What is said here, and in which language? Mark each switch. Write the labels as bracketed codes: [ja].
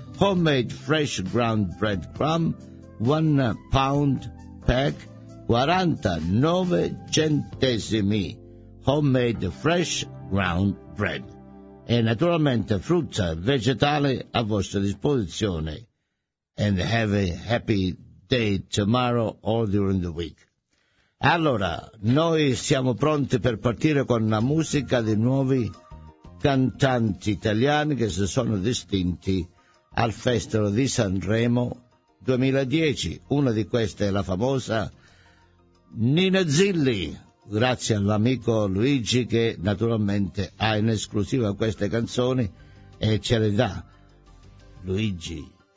[en] Homemade Fresh Ground Bread Crumb, 1 pound pack, 49 centesimi. Homemade Fresh Ground Bread. [it] E naturalmente frutta e vegetale a vostra disposizione. [en] And have a happy day tomorrow or during the week. [it] Allora, noi siamo pronti per partire con la musica di nuovi cantanti italiani che si sono distinti al Festival di Sanremo 2010. Una di queste è la famosa Nina Zilli, grazie all'amico Luigi che naturalmente ha in esclusiva queste canzoni e ce le dà. Luigi.